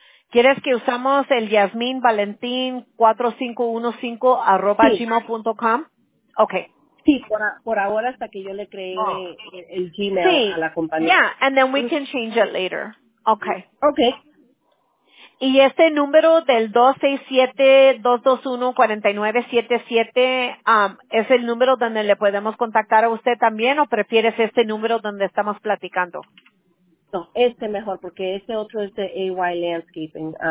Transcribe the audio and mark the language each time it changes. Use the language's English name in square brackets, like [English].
[Spanish] ¿Quieres que usamos el yasminvalentin4515@gmail.com? [English] Okay. [Spanish] Sí, por ahora, hasta que yo le cree el Gmail a la compañía. [English] Yeah, and then we can change it later. Okay. Okay. [Spanish] Y este número del 267-221-4977, ¿es el número donde le podemos contactar a usted también, o prefieres este número donde estamos platicando? No, este mejor, porque este otro es de AY Landscaping.